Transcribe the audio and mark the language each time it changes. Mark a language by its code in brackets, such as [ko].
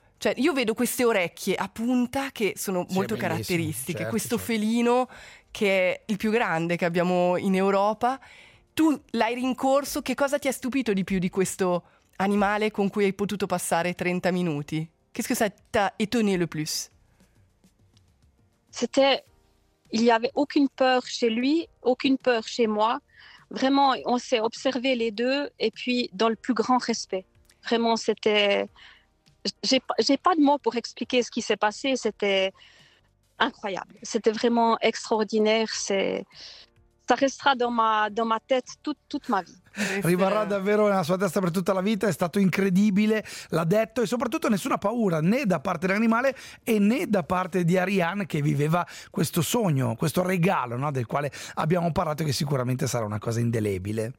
[it] Cioè io vedo queste orecchie a punta che sono molto caratteristiche, certo, questo certo. Felino che è il più grande che abbiamo in Europa. Tu l'hai rincorso, che cosa ti ha stupito di più di questo animale con cui hai potuto passare 30 minuti? Che cosa ti ha [fr] étonné le plus? C'était, il n'y avait aucune peur chez lui, aucune peur chez moi. vraiment, on s'est observé les deux, et puis dans le plus grand respect. Vraiment, c'était... J'ai pas de mots pour expliquer ce qui s'est passé, c'était incroyable. C'était vraiment extraordinaire, c'est... Ça [it] resterà [fr] dans ma tête [it] tutta ma vita. Rimarrà davvero nella sua testa per tutta la vita, è stato incredibile, l'ha detto, e soprattutto nessuna paura né da parte dell'animale e né da parte di Ariane, che viveva questo sogno, questo regalo, no, del quale abbiamo parlato, che sicuramente sarà una cosa indelebile.